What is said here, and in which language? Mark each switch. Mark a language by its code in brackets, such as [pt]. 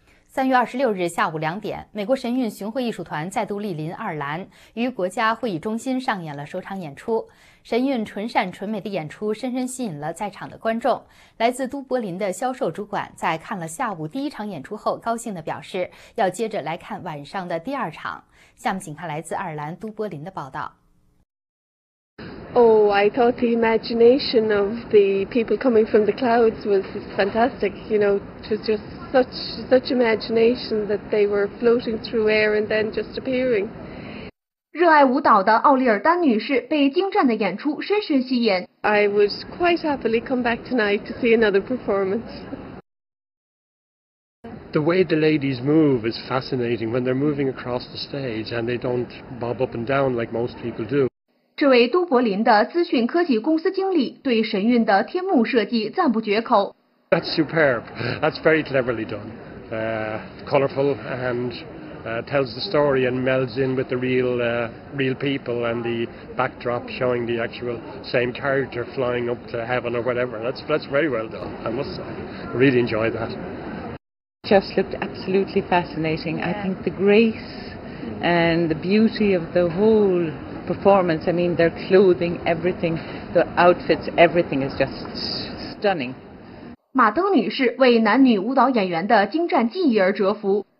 [zh] 3月26日下午2点，美国神韵巡回艺术团再度莅临爱尔兰，于国家会议中心上演了首场演出。神韵纯善纯美的演出深深吸引了在场的观众。来自都柏林的销售主管在看了下午第一场演出后，高兴地表示要接着来看晚上的第二场。下面请看来自爱尔兰都柏林的报道。 [en] Oh, I thought the imagination of the people coming from the clouds was fantastic. You know, it was just such imagination that they were floating through air and then just appearing. [zh] 热爱舞蹈的奥利尔丹女士被精湛的演出深深吸引。 [en] I would quite happily come back tonight to see another performance. The way the ladies move is fascinating when they're moving across the stage and they don't bob up and down like most people do. [zh] 这位都柏林的资讯科技公司经理对神韵的天幕设计赞不绝口。 [en] That's superb. That's very cleverly done. Colorful and tells the story and melds in with the real people and the backdrop showing the actual same character flying up to heaven or whatever. That's very well done. I must say, I really enjoy that. Just looked absolutely fascinating. I think the grace and the beauty of the whole. Performance. I mean, their clothing, everything, the outfits, everything is just stunning. [zh] 马登女士为男女舞蹈演员的精湛技艺而折服。